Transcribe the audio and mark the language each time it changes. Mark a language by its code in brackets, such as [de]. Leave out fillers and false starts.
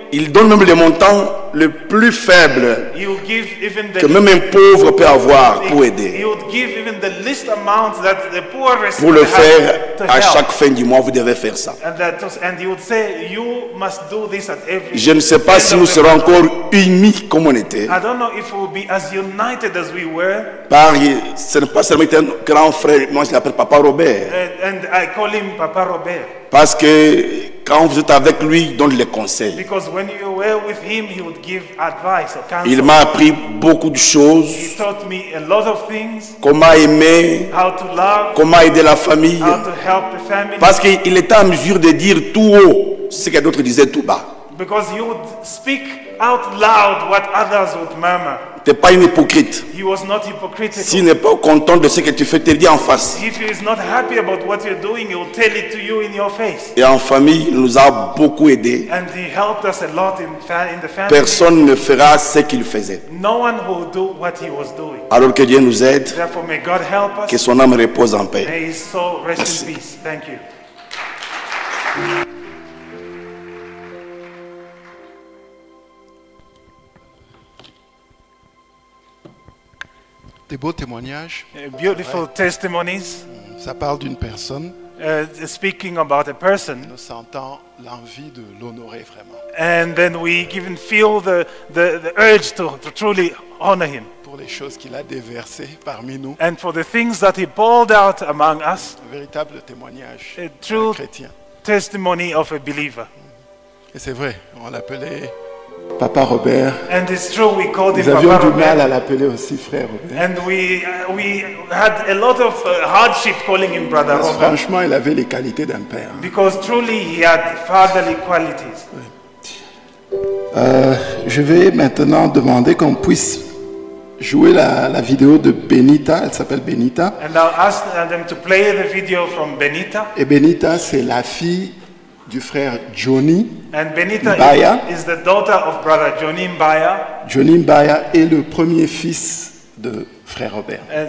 [fr] il donne même les montants les plus faibles [en] he would give even the [fr] que même un pauvre peut avoir pour aider. [en] He would give even the least amount that the poorest [fr] pour le faire à chaque fin du mois, vous devez faire ça. [en] And he would say, you must do this at every [fr] je ne sais pas si nous serons encore unis comme on était. [en] I don't know if we'll be as united as we were. [fr] Paris, ce n'est pas seulement un grand frère, moi je l'appelle Papa Robert. [en] And I call him Papa Robert. [fr] Parce que quand vous êtes avec lui, il donne les conseils. [en] Because when you were with him, he would give advice or counsel. [fr] Il m'a appris beaucoup de choses. [en] He taught me a lot of things. [fr] Comment aimer. [en] How to love. [fr] Comment aider la famille. [en] How to help the family. [fr] Parce qu'il était en mesure de dire tout haut ce que d'autres disaient tout bas. [en] Because he would speak out loud what others would murmur. [fr] Tu n'es pas un hypocrite. [en] He was not hypocritical. [fr] S'il n'est pas content de ce que tu fais, te le dis en face. [en] If he is not happy about what you're doing, he'll tell it to you in your face. [fr] Et en famille, il nous a beaucoup aidés. [en] And he helped us a lot in the family. [fr] Personne ne fera ce qu'il faisait. [en] No one will do what he was doing. [fr] Alors que Dieu nous aide. [en] Therefore, may God help us. [fr] Que son âme repose en paix. [en] May his soul rest in peace. Thank you. [fr] des beaux témoignages. [en] Beautiful testimonies. [fr] Ça parle d'une personne. [en] Speaking about a person. [fr] Nous sentons l'envie de l'honorer vraiment. [en] And then we even feel the urge to truly honor him. [fr] Pour les choses qu'il a déversées parmi nous. [en] And for the things that he poured out among us. [fr] Un véritable témoignage. [en] A true [fr] chrétien. [en] Testimony of a believer. [fr] Et c'est vrai, on l'appelait Papa Robert. [en] And it's true, we called [fr] nous [en] him [fr] avions [en] Papa [fr] du [en] Robert. [fr] Mal à l'appeler aussi Frère Robert. [en] And we had a lot of hardship calling him Brother [fr] Parce [en] Robert. [fr] Franchement, il avait les qualités d'un père. [en] Because truly he had fatherly qualities. [fr] Je vais maintenant demander qu'on puisse jouer la vidéo de Benita. Elle s'appelle Benita. [en] And I'll ask them to play the video from Benita. [fr] Et Benita, c'est la fille du frère Johnny. [en] And Benita Mbaya. Is the daughter of brother Johnny Mbaya. [fr] Johnny Mbaya est le premier fils de frère Robert.